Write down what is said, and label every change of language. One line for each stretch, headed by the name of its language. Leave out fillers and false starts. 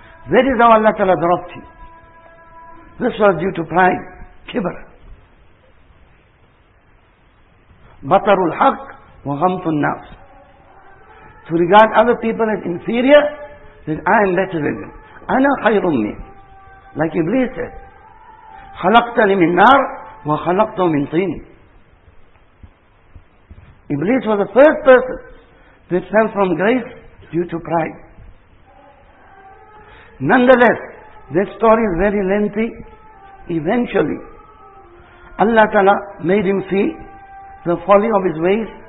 English: That is how Allah Ta'ala dropped him. This was due to pride, kibr.
Arabic: Batarul haq wa ghamtun nafs.
English: To regard other people as inferior, that I am better than them.
Arabic: Ana khayrun min.
English: Like Iblis said,
Arabic: خَلَقْتَنِ مِنْ نَارِ وَخَلَقْتُ مِنْ طِينِ.
English: Iblis was the first person that fell from grace due to pride. Nonetheless, that story is very lengthy. Eventually, Allah Ta'ala made him see the folly of his ways.